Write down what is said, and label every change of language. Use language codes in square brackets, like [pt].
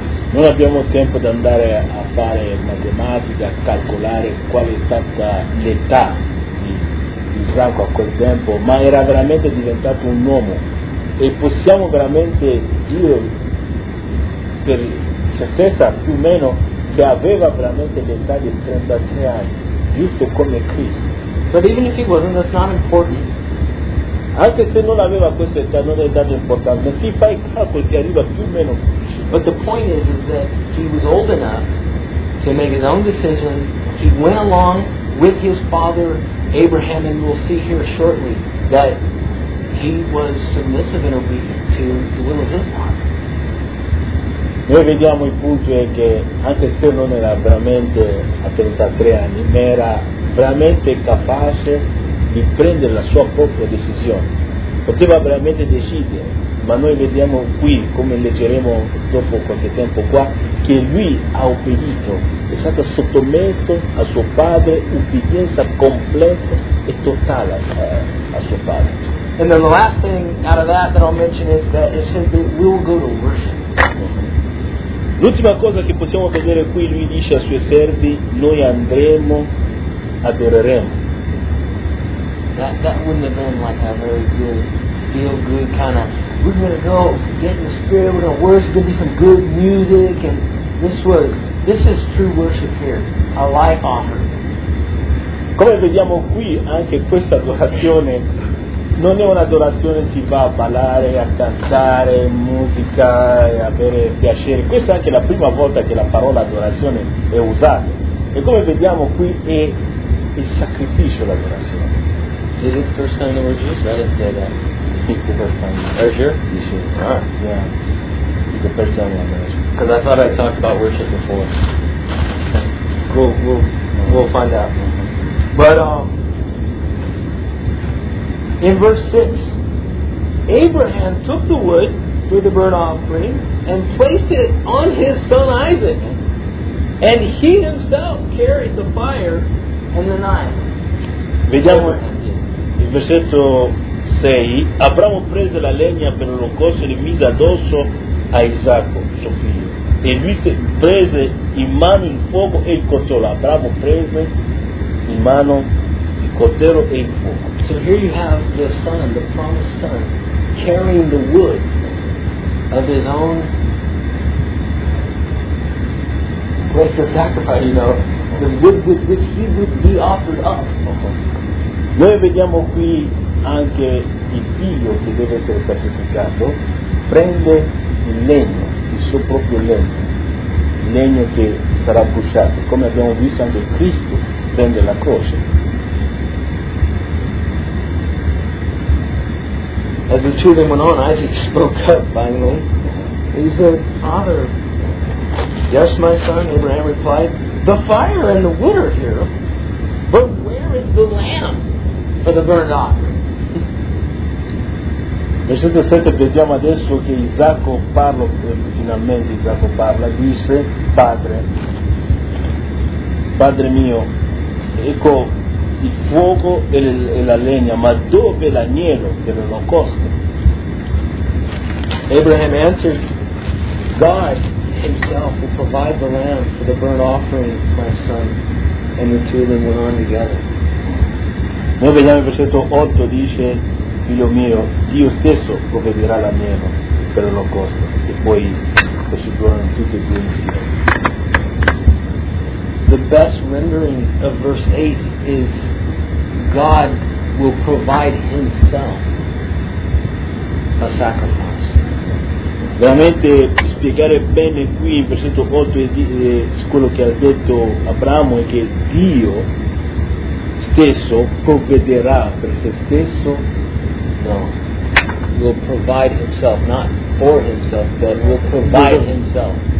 [it] Non abbiamo tempo di andare a fare matematica, a calcolare qual è stata l'età di Franco a quel tempo, ma era veramente diventato un uomo. E possiamo veramente dire per certezza più o meno che aveva veramente l'età di 33 anni, giusto come Cristo. [en] But even if he wasn't, that's not important. [it] Anche se non aveva questa età, non è dato importante. Si fa il calcolo, si arriva più o meno. [en] But the point is that he was old enough to make his own decision. He went along with his father Abraham, and we'll see here shortly that he was submissive and obedient to the will of his father. [it] Noi vediamo il punto è che anche se non era veramente a 33 anni, ma era veramente capace di prendere la sua propria decisione. Poteva veramente decidere, ma noi vediamo qui, come leggeremo dopo qualche tempo qua, che lui ha obbedito, è stato sottomesso a suo padre, ubbidienza completa e totale a suo padre. [en] And then the last thing out of that that I'll mention is that it says that we'll go to worship. [it] L'ultima cosa che possiamo vedere qui, lui dice ai suoi servi, noi andremo, adoreremo. [en] That wouldn't have been like a very good, feel good kind of, we're going to go get in the spirit, we're going to worship, there'll be some good music, and this is true worship here, a life offering. [it] Come vediamo qui, anche questa adorazione non è un'adorazione si va a ballare, a cantare, musica, a avere piacere. Questa è anche la prima volta che la parola adorazione è usata. E come vediamo qui è il sacrificio l'adorazione. [en] Is it the first time that we're Jesus? I didn't say that. It's the first time. Are you sure? You see. Ah. Yeah. It's the first time we're Jesus. Because I thought I talked about worship before. We'll find out. But, in verse 6, Abraham took the wood for the burnt offering and placed it on his son Isaac, and he himself carried the fire and the knife. [it] Vediamo il versetto 6. Abramo prese la legna per l'olocausto e mise addosso a Isacco, suo figlio. E lui prese in mano il fuoco e il coltello. Abramo prese in mano il coltello e il fuoco. [en] So here you have the son, the promised son, carrying the wood of his own place of sacrifice, you know, the wood with which he would be offered up. [it] Noi vediamo qui anche il figlio che deve essere sacrificato, prende il legno, il suo proprio legno, il legno che sarà bruciato, come abbiamo visto anche Cristo prende la croce. [en] As the two of them went on, Isaac spoke up finally. He said, Father, yes, my son, Abraham replied, the fire and the wood are here, but where is the lamb for the burnt offering? [it] Versetto 7, vediamo adesso che Isacco parla, finalmente Isacco parla, disse, Padre mio, ecco, il fuoco e la legna, ma dove l'agnello dell'olocausto? [en] Abraham answered, God himself will provide the lamb for the burnt offering, my son. And the two of them went on together. [it] Noi vediamo il versetto 8, dice, figlio mio, Dio stesso provvederà l'agnello per l'olocausto. E poi questi due erano tutti e due insieme. [en] The best rendering of verse 8 is God will provide himself a sacrifice. [it] Veramente spiegare bene qui in versetto 8 è quello che ha detto Abramo è che Dio stesso provvederà per se stesso. [en] No, will provide himself, not for himself, but will provide himself.